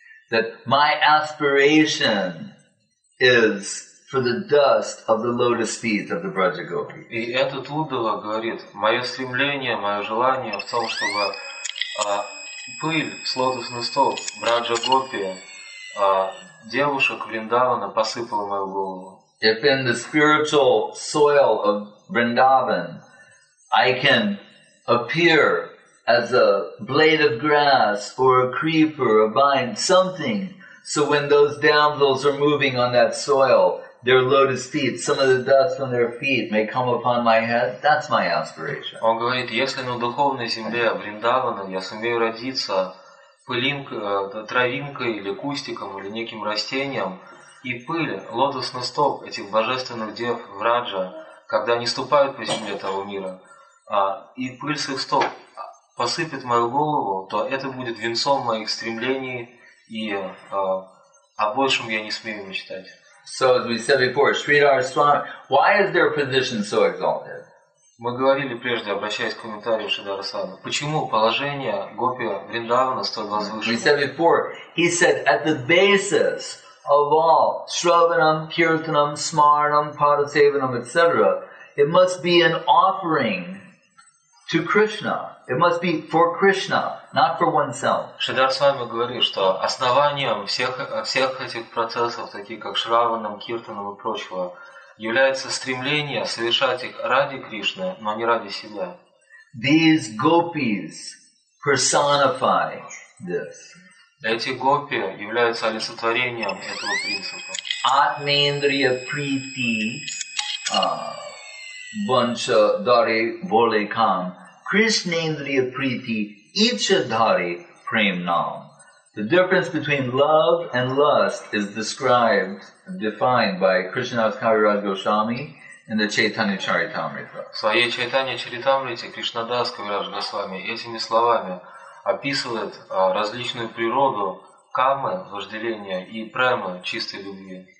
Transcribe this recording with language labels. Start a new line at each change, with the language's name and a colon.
English: That my aspiration is for the dust of the lotus feet of the Brajagopi.
Russian: И этот Уддхава говорит, мое стремление, мое желание в том, чтобы пыль с лотосных стоп Брадж-гопи, девушек Вриндавана посыпала мою голову.
English: If in the spiritual soil of Vrindavan I can appear as a blade of grass or a creeper, a vine, something, so when those damsels are moving on that soil, their lotus feet, some of the dust from their feet may come upon my head, that's my aspiration.
Russian: Он говорит, если на духовной земле Вриндавана я сумею родиться пылинкой, травинкой или кустиком, или неким растением, и пыль, лотосный стоп этих божественных дев Враджа, когда они ступают по земле того мира, и пыль с их стоп посыпет мою голову, то это будет венцом моих стремлений, и о большем я не смею мечтать.
English: So as we said before, Sridhar Swami, why is their position so exalted?
Russian: Мы говорили прежде, обращаясь к комментарию Шридхара Свами, почему положение гопи Вриндавана столь возвышено?
English: We said before, he said, at the basis of all Shravanam, Kirtanam, Smaranam, Padasevanam, etc., it must be an offering to Krishna. It must be for Krishna, not for oneself.
Russian: Шридхар Свами говорит, что основанием всех этих процессов, таких как Шраванам, Киртанам и прочего, является стремление совершать их ради Кришны, но не ради себя.
English: These gopis personify this.
Russian: Эти гопи являются олицетворением этого принципа.
Sanskrit: Атмендрия прити банча дари воле кам. Кришнендрия прити ича дари премнам.
English: The difference between love and lust is described, defined by Krishnadas Kaviraj Goswami in the Chaitanya Charitamrita.
Russian: В своей Чайтанья Чаритамрите Кришнадас Кавирадж Госвами этими словами описывает различную природу камы, вожделения, и премы, чистой любви.